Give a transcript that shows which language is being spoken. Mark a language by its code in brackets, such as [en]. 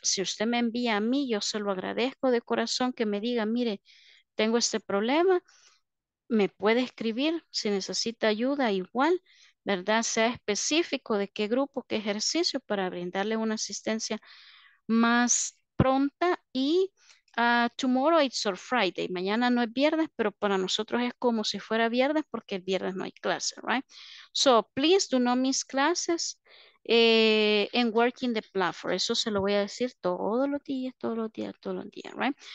[es] Si usted me envía a mí, yo se lo agradezco de corazón que me diga, mire, tengo este problema, me puede escribir si necesita ayuda, igual, ¿verdad? Sea específico de qué grupo, qué ejercicio para brindarle una asistencia más profesional. pronta y [en] tomorrow it's or Friday. [es] Mañana no es viernes, pero para nosotros es como si fuera viernes porque el viernes no hay clase, right? [en] So please do not miss classes and work in the platform. [es] Eso se lo voy a decir todos los días, todos los días, todos los días, right?